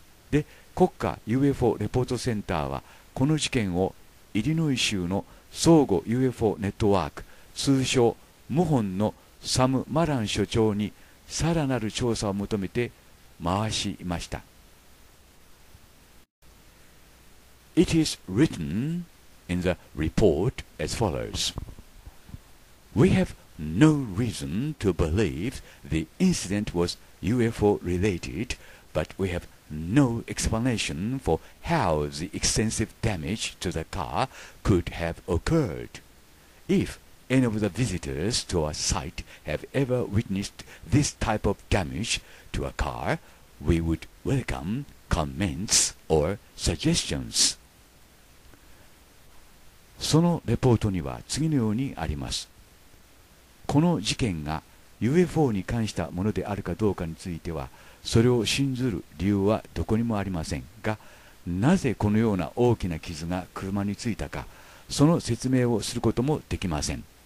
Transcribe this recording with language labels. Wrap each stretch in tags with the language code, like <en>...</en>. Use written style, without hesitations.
<ja>で、国家 UFO レポートセンターはこの事件をイリノイ州の相互 UFO ネットワーク、通称ムホンのサム・マラン所長にさらなる調査を求めて回しました。</ja> <en>It is written in the report as follows. We have no reason to believe the incident was UFO related, but we have no explanation for how the extensive damage to the car could have occurred. If any of the visitors to our site have ever witnessed this type of damage to a car, we would welcome comments or suggestions.</en> <ja>そのレポートには次のようにあります。この事件が UFO に関したものであるかどうかについては、それを信ずる理由はどこにもありませんが、なぜこのような大きな傷が車についたか、その説明をすることもできません。</ja>